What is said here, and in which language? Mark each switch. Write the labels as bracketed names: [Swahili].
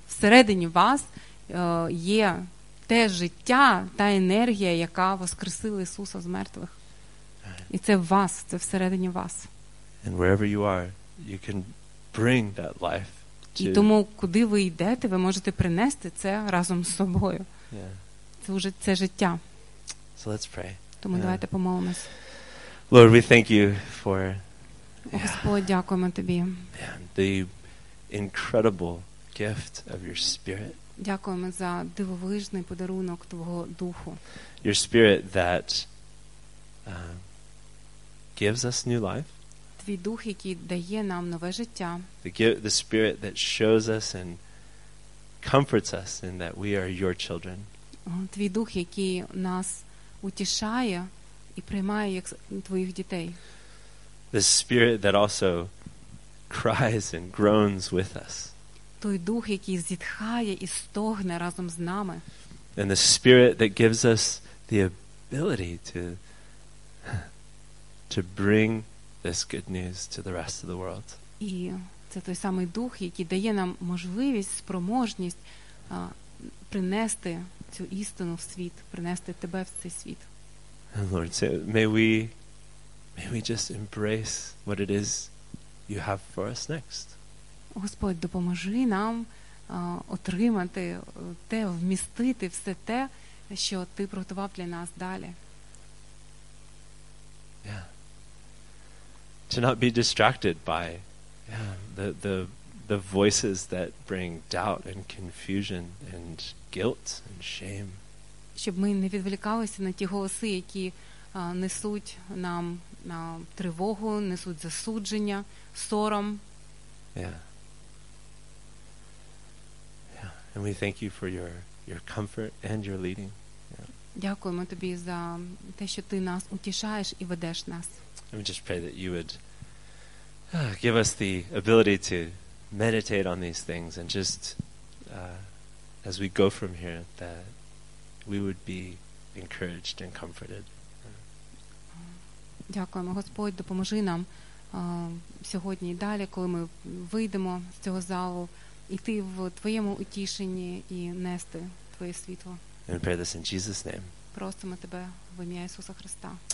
[Ukrainian] Всередині вас є те життя, та енергія, яка воскресила Ісуса з мертвих. І це в вас, це всередині вас. [English] And wherever you are, you can bring that life to. [Ukrainian] І тому, куди ви йдете, ви можете принести це разом з собою. [English] Yeah. [Ukrainian] Це вже це життя. [English] So let's pray. [Ukrainian] Тому давайте помолимось. [English] Lord, we thank you for [Ukrainian] Господь, дякуємо тобі. [English] The incredible gift of your Spirit. [Ukrainian] Дякуємо за дивовижний подарунок твого Духу. [English] Your Spirit that gives us new life. [Ukrainian] Твій Дух, який дає нам нове життя. [English] The Spirit that shows us and comforts us in that we are your children. [Ukrainian] Твій Дух, який нас утішає і приймає як твоїх дітей. [English] The Spirit that also cries and groans with us. [Ukrainian] Той Дух, який зітхає і стогне разом з нами. [English] And the Spirit that gives us the ability to bring this good news to the rest of the world. [Ukrainian] І це той самий Дух, який дає нам можливість, спроможність принести цю істину в світ, принести тебе в цей світ. [English] And Lord, so may we just embrace what it is you have for us next. [Ukrainian] Господь, допоможи нам отримати те, вмістити все те, що ти приготував для нас далі. [English] Yeah. To not be distracted by the the voices that bring doubt and confusion and guilt and shame. [Ukrainian] Щоб ми не відволікалися на ті голоси, які несуть нам на тривогу, несуть засудження, сором. [English] Yeah. Yeah. And we thank you for your comfort and your leading. [Ukrainian] Дякуємо тобі за те, що ти нас утішаєш і ведеш нас. [English] We just pray that you would give us the ability to meditate on these things and just as we go from here that we would be encouraged and comforted. [Ukrainian] Дякуємо, Господь, допоможи нам сьогодні і далі, коли ми вийдемо з цього залу, іти в твоєму утішенні і нести твоє світло. [English] And pray this in Jesus' name. [Ukrainian] Просимо тебе в ім'я Ісуса Христа.